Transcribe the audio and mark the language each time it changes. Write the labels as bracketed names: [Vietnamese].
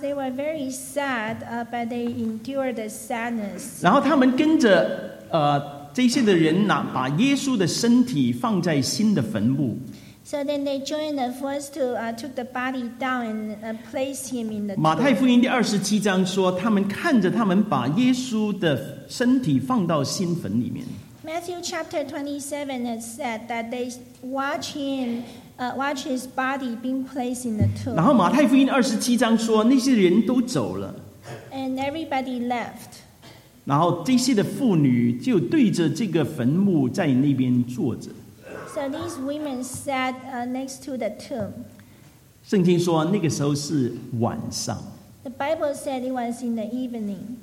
[English] They were very sad, but they endured the sadness. [Chinese] 然后她们跟着这些的人呢，把耶稣的身体放在新的坟墓。 [English] So then they joined the force to took the body down and placed him in the tomb. [Chinese] 马太福音第27章说，他们看着他们把耶稣的身体放到新坟里面。 [English] Matthew chapter 27 has said that they watch him, watch his body being placed in the tomb. [Chinese] 然后马太福音27章说，那些人都走了。 [English] And everybody left. [Chinese] 然后这些的妇女就对着这个坟墓在那边坐着。 [English] So these women sat next to the tomb. [Chinese] 圣经说那个时候是晚上。 [English] The Bible said it was in the evening.